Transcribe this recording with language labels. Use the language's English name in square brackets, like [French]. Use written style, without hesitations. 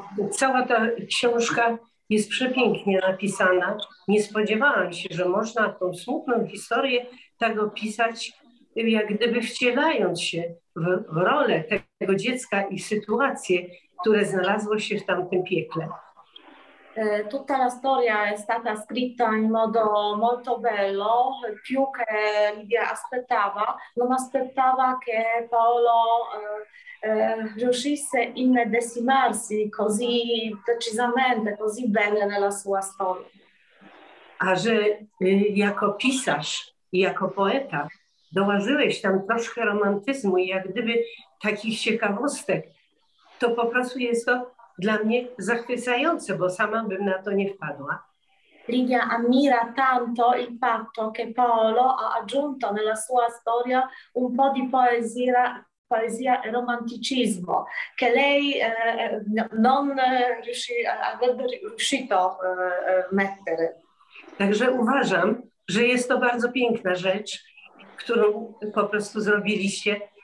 [Polish] Cała ta książka jest przepięknie napisana. Nie spodziewałam się, że można tą smutną historię tak opisać, jak gdyby wcielając się w rolę tego dziecka i w sytuację, które znalazło się w tamtym piekle. [Italian] Tutta la storia è stata scritta in modo molto bello, più che Lidia aspettava, non aspettava che Paolo riuscisse a immedesimarsi così decisamente, così bene nella sua storia. [Polish] A że jako pisarz, jako poeta, dołożyłeś tam troszkę romantyzmu i jak gdyby takich ciekawostek, to po prostu jest to dla mnie zachwycające, bo sama bym na to nie wpadła. [Italian] Lidia ammira tanto il fatto che Paolo ha aggiunto nella sua storia un po' di poesia e romanticismo, che lei non avrebbe riuscito a mettere. [Polish] Także uważam, że jest to bardzo piękna rzecz, którą po prostu zrobiliście.